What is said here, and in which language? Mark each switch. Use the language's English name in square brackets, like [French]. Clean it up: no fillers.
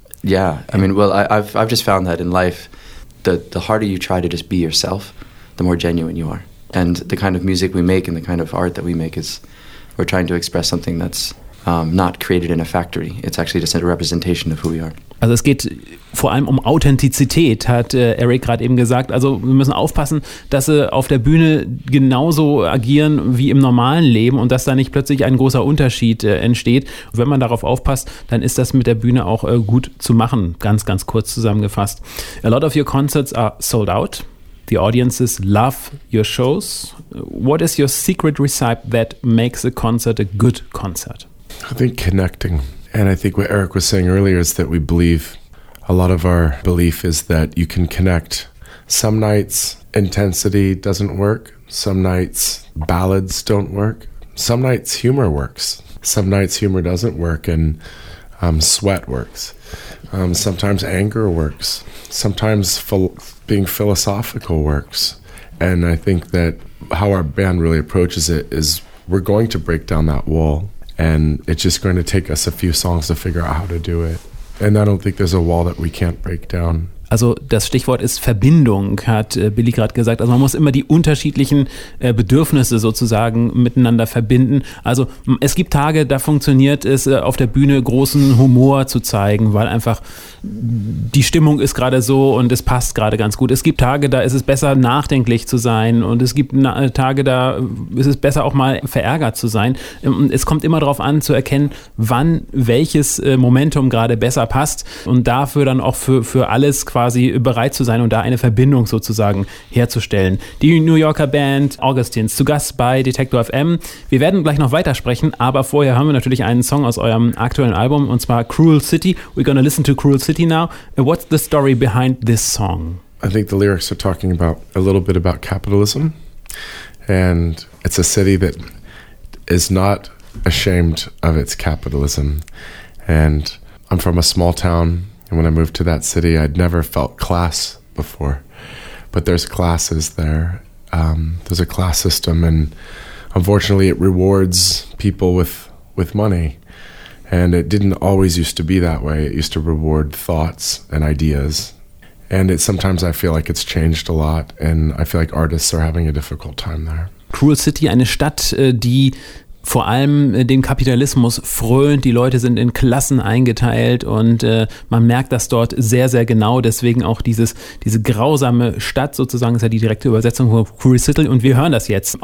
[English] Yeah, I mean, well, I've just found that in life, the harder you try to just be yourself, the more genuine you are. And the kind of music we make and the kind of art that we make is we're trying to express something that's not created in a factory. It's actually just a representation of who we are. [German] Also es geht vor allem um Authentizität, hat Eric gerade eben gesagt. Also wir müssen aufpassen, dass sie auf der Bühne genauso agieren wie im normalen Leben und dass da nicht plötzlich ein großer Unterschied entsteht. Und wenn man darauf aufpasst, dann ist das mit der Bühne auch gut zu machen, ganz, ganz kurz zusammengefasst. [English] A lot of your concerts are sold out. The audiences love your shows. What is your secret recipe that makes a concert a good concert? I think connecting. And I think what Eric was saying earlier is that we believe, a lot of our belief is that you can connect. Some nights intensity doesn't work. Some nights ballads don't work. Some nights humor works. Some nights humor doesn't work and sweat works. Sometimes anger works. Sometimes being philosophical works. And I think that how our band really approaches it is we're going to break down that wall. And it's just going to take us a few songs to figure out how to do it. And I don't think there's a wall that we can't break down. [German] Also das Stichwort ist Verbindung, hat Billy gerade gesagt. Also man muss immer die unterschiedlichen Bedürfnisse sozusagen miteinander verbinden. Also es gibt Tage, da funktioniert es, auf der Bühne großen Humor zu zeigen, weil einfach die Stimmung ist gerade so und es passt gerade ganz gut. Es gibt Tage, da ist es besser, nachdenklich zu sein, und es gibt Tage, da ist es besser, auch mal verärgert zu sein. Und es kommt immer darauf an, zu erkennen, wann welches Momentum gerade besser passt und dafür dann auch für alles quasi bereit zu sein und da eine Verbindung sozusagen herzustellen. Die New Yorker Band Augustine zu Gast bei Detektor FM. Wir werden gleich noch weitersprechen, aber vorher haben wir natürlich einen Song aus eurem aktuellen Album, und zwar Cruel City. [English] We're gonna listen to Cruel City now. What's the story behind this song? I think the lyrics are talking about a little bit about capitalism, and it's a city that is not ashamed of its capitalism. And I'm from a small town. And when I moved to that city, I'd never felt class before. But there's classes there. There's a class system. And unfortunately, it rewards people with money. And it didn't always used to be that way. It used to reward thoughts and ideas. And it sometimes I feel like it's changed a lot. And I feel like artists are having a difficult time there. [German] Cruel City, eine Stadt, die vor allem dem Kapitalismus frönt. Die Leute sind in Klassen eingeteilt und man merkt das dort sehr, sehr genau. Deswegen auch diese grausame Stadt sozusagen, ist ja die direkte Übersetzung von Cruel City. Und wir hören das jetzt.